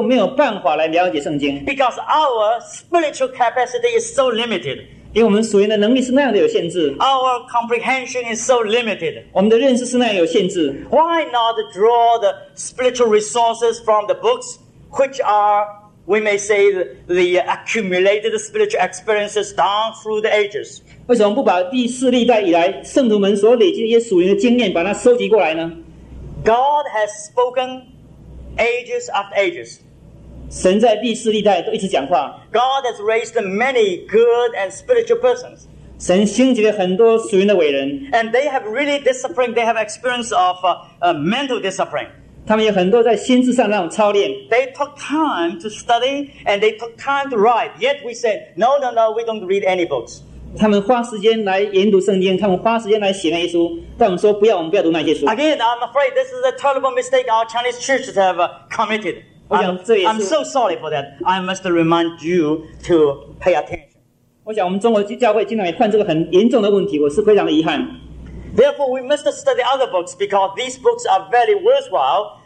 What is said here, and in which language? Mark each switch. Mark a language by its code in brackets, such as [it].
[zh] 但我说那样是不够的，如果你不读别的书的话，你就没有办法来了解圣经。 [en] Because our spiritual capacity is so limited. [zh] 因为我们属灵的能力是那样的有限制。 [en] Our comprehension is so limited. [zh] 我们的认识是那样有限制。 [en] Why not draw the spiritual resources from the books which are, we may say, the accumulated spiritual experiences down through the ages? [zh] 为什么不把第四历代以来圣徒们所累积的一些属灵的经验把它收集过来呢？ [en] God has spoken ages after ages. [zh] 神在历世历代都一直讲话。 [en] God has raised many good and spiritual persons. [zh] 神兴起了很多属灵的伟人。 [en] And they have really disciplined, they have experience of mental discipline. [zh] 他们有很多在心智上那种操练。 [en] They took time to study and they took time to write. Yet we said, no, we don't read any books. [zh] 他们花时间来研读圣经, 他们花时间来写那些书, 但我们说不要, 我们不要读那些书。 [en] Again, I'm afraid this is a terrible mistake our Chinese churches have committed. I'm so sorry for that. I must remind you to pay attention. [zh] 我想我们中国教会经常也犯这个很严重的问题，我是非常的遗憾。 [en] Therefore, we must study other books, because these books are very worthwhile.